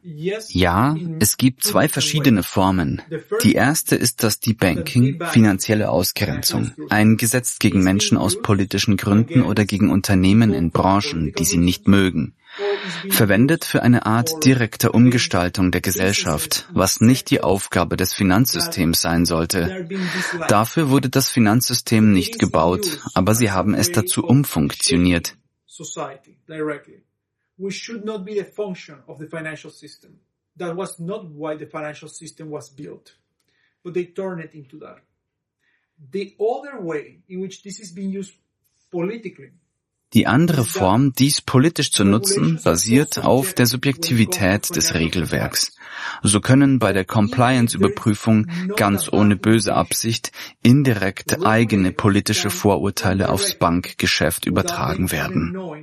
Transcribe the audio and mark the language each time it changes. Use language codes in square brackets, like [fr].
[de] Ja, es gibt zwei verschiedene Formen. Die erste ist das Debanking, finanzielle Ausgrenzung, eingesetzt gegen Menschen aus politischen Gründen oder gegen Unternehmen in Branchen, die sie nicht mögen. Verwendet für eine Art direkter Umgestaltung der Gesellschaft, was nicht die Aufgabe des Finanzsystems sein sollte. Dafür wurde das Finanzsystem nicht gebaut, aber sie haben es dazu umfunktioniert. [en] We should not be the function of the financial system. That was not why the financial system was built. but they turn it into that. The other way in which this is being used politically. [de] Die andere Form, dies politisch zu nutzen, basiert auf der Subjektivität des Regelwerks. So können bei der Compliance-Überprüfung ganz ohne böse Absicht indirekt eigene politische Vorurteile aufs Bankgeschäft übertragen werden.